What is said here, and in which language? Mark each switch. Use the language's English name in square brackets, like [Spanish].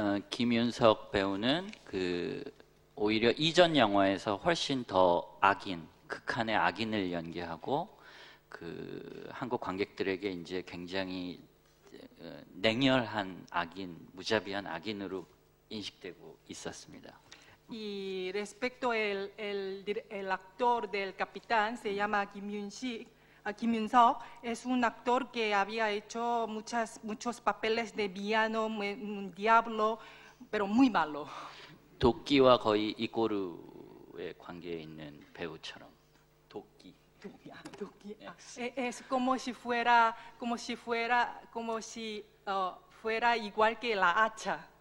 [Korean] 김윤석 배우는 그 오히려 이전 영화에서 훨씬 더 악인, 극한의 악인을 연기하고 그 한국 관객들에게 이제 굉장히 냉혈한 악인, 무자비한 악인으로 인식되고 있었습니다. [Spanish] Y respecto el actor del capitán se llama Kim Yun-sik. Kim Yun-sok es un actor que había hecho muchos papeles de villano, un diablo, pero muy malo. [Korean] 도끼와 거의 이고르의 관계에 있는 배우처럼 도끼. 도끼. [Spanish] Es como si fuera igual que la hacha.